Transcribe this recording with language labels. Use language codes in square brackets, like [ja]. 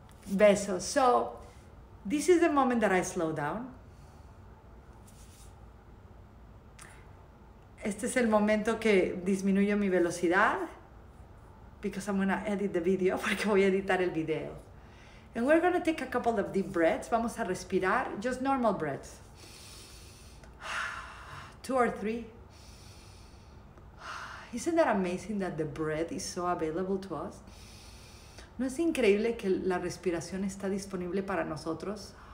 [en] Besos. So, this is the moment that I slow down. [es] Este es el momento que disminuyo mi velocidad. [en] Because I'm going to edit the video, [es] porque voy a editar el video. [en] And we're going to take a couple of deep breaths. [es] Vamos a respirar, [en] just normal breaths. Two or three. Isn't that amazing that the breath is so available to us? [es] ¿No es increíble que la respiración está disponible para nosotros?